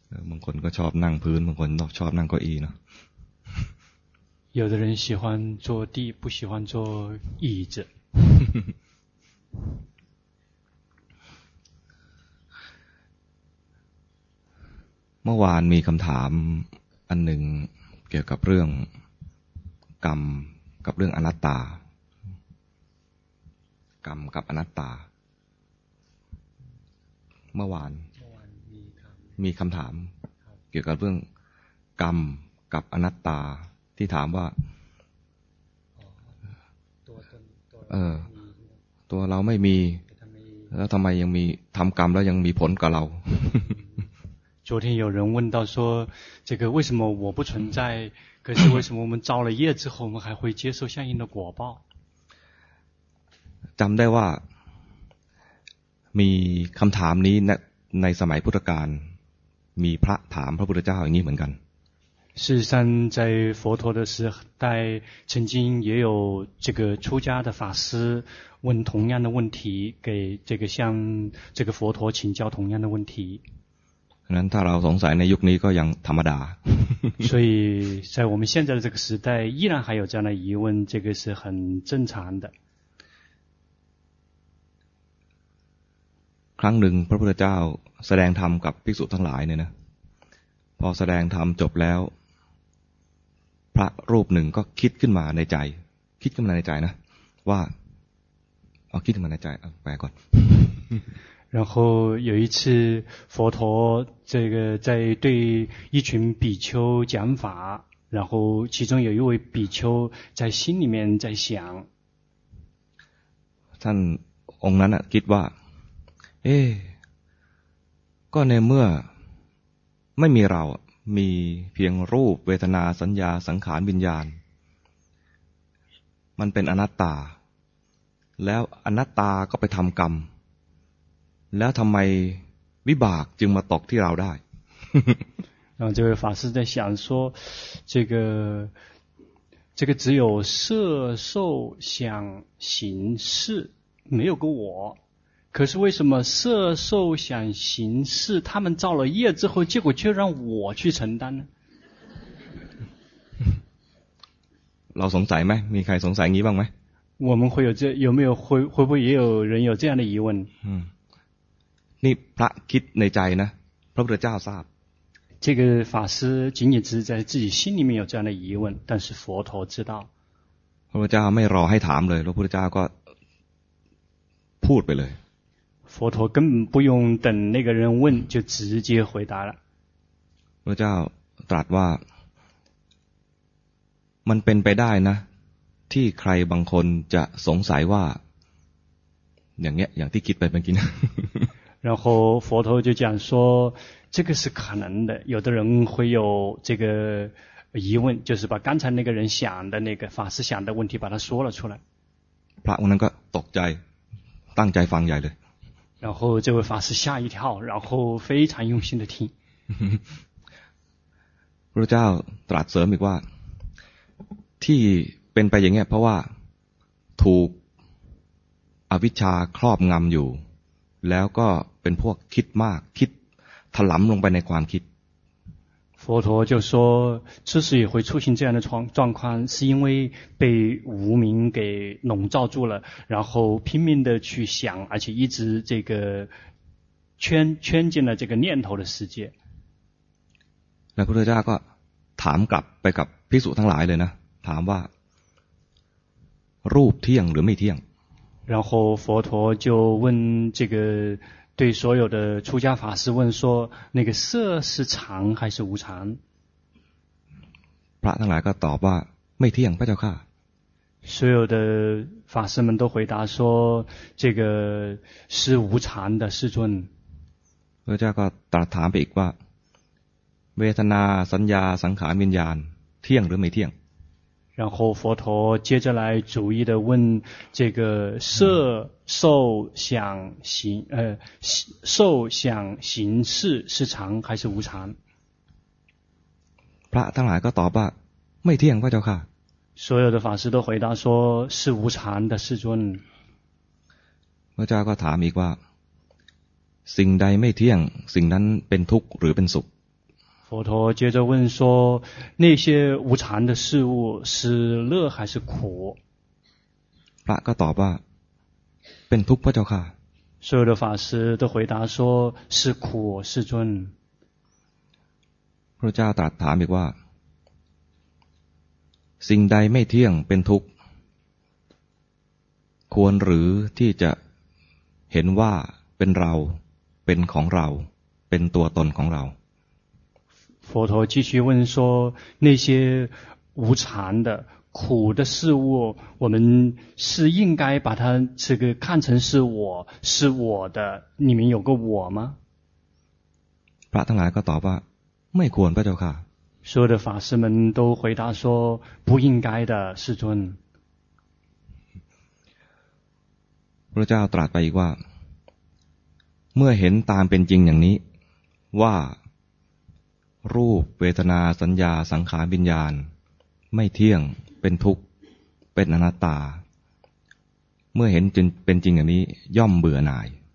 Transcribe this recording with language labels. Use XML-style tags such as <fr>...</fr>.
<th>บางคนก็ชอบนั่งพื้นบางคนก็ชอบนั่งเก้าอี้เนาะ</th> <zh>有的人喜欢坐地不喜欢坐椅子</zh> <th>เมื่อวานมีคำถามอันหนึ่งเกี่ยวกับเรื่องกรรมกับเรื่องอนัตตากรรมกับอนัตตาเมื่อวานมีคำถามเกี่ยวกับเรื่องกรรมกับอนัตตาที่ถามว่าตัวเราไม่มีแล้วทำไมยังมีทำกรรมแล้วยังมีผลกับเรา</th> <zh>昨天有人问到说这个为什么我不存在可是为什么我们造了业之后我们还会接受相应的果报</zh> <th>จำได้ว่ามีคำถามนี้ในสมัยพุทธกาลมีพระถามพระพุทธเจ้าอย่างนี้เหมือนกัน</th> <zh>事实上在佛陀的时代曾经也有这个出家的法师问同样的问题给这个向这个佛陀请教同样的问题</zh> <th>นั้นถ้าเราสงสัยในยุคนี้ก็ยังธรรมดา</th> <zh>所以在我们现在的这个时代依然还有这样的疑问这个是很正常的</zh> <th>ครั้งหนึ่งพระพุทธเจ้าแสดงธรรมกับภิกษุทั้งหลายเนี่ยนะพอแสดงธรรมจบแล้วพระรูปหนึ่งก็คิดขึ้นมาในใจคิดขึ้นมาในใจนะว่าเอาคิดขึ้นมาในใจแปลก่อน</th> <zh>然后有一次佛陀这个在对一群比丘讲法然后其中有一位比丘在心里面在想</zh> <th>ท่านองค์นั้นคิดว่าเอ๊ก็ในเมื่อไม่มีเรามีเพียงรูปเวทนาสัญญาสังขารวิญญาณมันเป็นอนัตตาแล้วอนัตตาก็ไปทำกรรมแล้วทำไมวิบากจึงมาตกที่เราได้</th> <zh>然后这位法师在想说这个只有色受想行识没有个我可是为什么色受想行识他们造了业之后结果却让我去承担呢</zh> <th>เราสงสัยไหมมีใครสงสัยงี้บ้างไหม</th> <zh>我们会有这有没有会不会也有人有这样的疑问</zh> <th>นี่พระคิดในใจนะพระพุทธเจ้าทราบ</th> <zh>这个法师仅仅只是在自己心里面有这样的疑问但是佛陀知道</zh> <th>พระพุทธเจ้าไม่รอให้ถามเลยพระพุทธเจ้าก็พูดไปเลย</th> <zh>佛陀根本不用等那个人问就直接回答了</zh> <th>พระเจ้าตรัสว่ามันเป็นไปได้นะที่ใครบางคนจะสงสัยว่าอย่างเงี้ยอย่างที่คิดไปเมื่อกี้นะ</th> <zh>然后佛陀就讲说这个是可能的有的人会有这个疑问就是把刚才那个人想的那个法师想的问题把他说了出来</zh> <th>พระองค์นั้นก็ตกใจตั้งใจฟังใหญ่เลย</th> <zh>然后这位法师吓一跳然后非常用心的听</zh> <th>พระเจ้าตรัสเสริมอีกว่าที่เป็นไปอย่างนี้เพราะว่าถูกอวิชชาครอบงำอยู่แล้วก็เป็นพวกคิดมากคิดถลำลงไปในความคิด</th> <zh>佛陀就说之所以会出现这样的状况是因为被无明给笼罩住了然后拼命的去想而且一直这个圈进了这个念头的世界</zh> <th>แล้วพุทธเจ้าก็ถามกลับไปกับภิกษุทั้งหลายเลยนะถามว่ารูปเที่ยงหรือไม่เที่ยง</th> <zh>然后佛陀就问这个对所有的出家法师问说那个色是常还是无常</zh> <th>พระทั้งหลายก็ตอบว่าไม่เที่ยงพระเจ้าค่ะ</th> <zh>所有的法师们都回答说这个是无常的世尊</zh> <th>พระเจ้าก็ตรัสถามไปอีกว่าเวทนาสัญญาสังขารวิญญาณเที่ยงหรือไม่เที่ยง</th> <zh>然后佛陀接着来逐一的问这个色受想行受想行识是常还是无常</zh> <th>พระทั้งหลายก็ตอบว่าไม่เที่ยงพระเจ้าค่ะ</th> <zh>所有的法师都回答说是无常的世尊</zh> <th>พระเจ้าก็ถามอีกว่าสิ่งใดไม่เที่ยงสิ่งนั้นเป็นทุกข์หรือเป็นสุข</th> <zh>佛陀接着问说那些无常的事物是乐还是苦</zh> <th>พระก็ตอบว่าเป็นทุกข์พระเจ้าค่ะ</th> <zh>所有的法师都回答说是苦世尊</zh> <th>พระเจ้าตรัสถามอีกว่าสิ่งใดไม่เที่ยงเป็นทุกข์ควรหรือที่จะเห็นว่าเป็นเราเป็นของเราเป็นตัวตนของเรา</th> <zh>佛陀继续问说那些无常的苦的事物我们是应该把它这个看成是我是我的里面有个我吗</zh> <th>พระทั้งหลายก็ตอบว่าไม่ควรพระเจ้าค่ะ</th> <zh>所有的法师们都回答说不应该的世尊</zh> <th>พระเจ้าตรัสไปอีกว่าเมื่อเห็นตามเป็นจริงอย่างนี้ว่ารูปเวทนาสัญญาสังขารวิญญาณไม่เที่ยงเป็นทุกข์เป็นอนัตตาเมื่อเห็นจริงเป็นจริงอย่างนี้ย่อมเบื่อหน่าย</th>